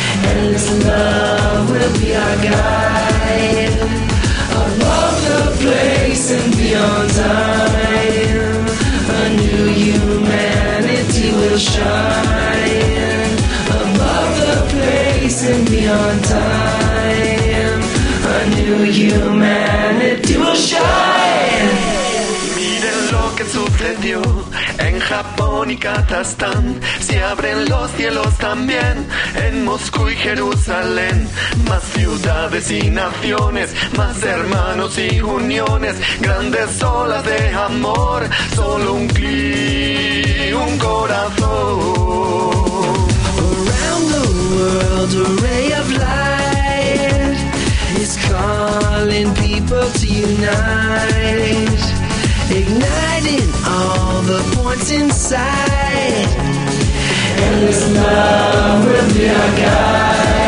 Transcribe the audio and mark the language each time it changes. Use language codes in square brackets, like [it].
[en] endless love will be our guide, above the place and beyond time, a new humanity will shine, above the place and beyond time, a new humanity will shine. [es] Sucedió en Japón y Kazajstán, se abren los cielos también en Moscú y Jerusalén, más ciudades y naciones, más hermanos y uniones, grandes olas de amor, solo un clic, un corazón. [en] Around the world a ray of light is calling people to unite, igniting all the points inside, endless love will be our guide.